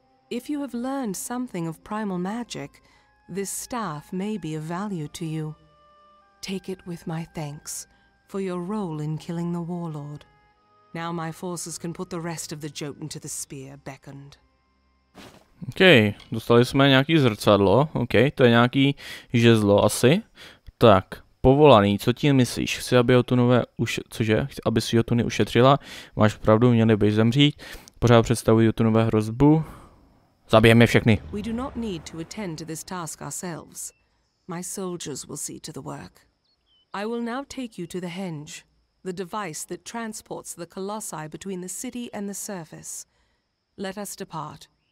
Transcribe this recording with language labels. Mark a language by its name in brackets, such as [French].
[English] If you have learned something of primal magic, this staff may be of value to you. Take it with my thanks for your role in killing the warlord. Now my forces can put the rest of the Jotun to the spear beckoned. [Czech] Okay, dostali jsme nějaký zrcadlo. Okay, to je nějaký žezlo asi. Tak, povolaný, co ti myslíš? Chci, aby Jotunové Jotuny ušetřila? Máš pravdu, měli by zemřít. Pořád představuji Jotunové hrozbu. Zabijeme je všechny. [English] We do not need to attend to this task ourselves. My soldiers will see to the work. I will now take you to the henge, the device that transports the colossi between the city and the surface. Let us depart.